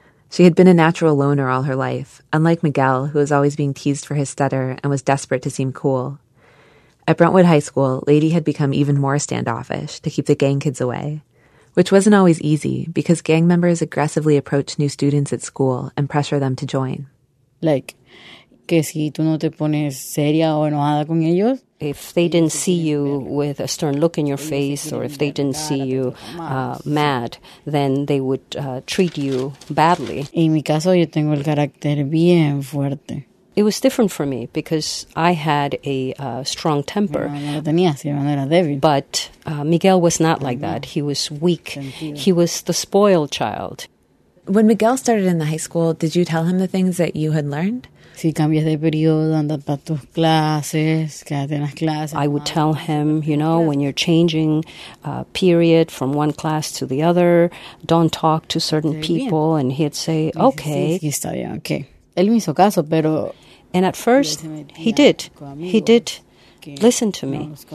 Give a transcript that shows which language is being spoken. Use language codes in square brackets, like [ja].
[en] She had been a natural loner all her life, unlike Miguel, who was always being teased for his stutter and was desperate to seem cool. At Brentwood High School, Lady had become even more standoffish to keep the gang kids away, which wasn't always easy because gang members aggressively approach new students at school and pressure them to join. [es] Like, que si tú no te pones seria o enojada con ellos. [en] If they didn't see you with a stern look in your face, or if they didn't see you mad, then they would treat you badly. [es] En mi caso, yo tengo el carácter bien fuerte. [en] It was different for me because I had a strong temper. But Miguel was not like that. He was weak. He was the spoiled child. When Miguel started in the high school, did you tell him the things that you had learned? [es] Si cambias de periodo, anda para tus clases, quédate en las clases. [en] I would tell him, you know, when you're changing a period from one class to the other, don't talk to certain people. And he'd say, okay. [es] Sí, está bien, okay. Él me hizo caso, pero... [en] And at first, he did. He did listen to me.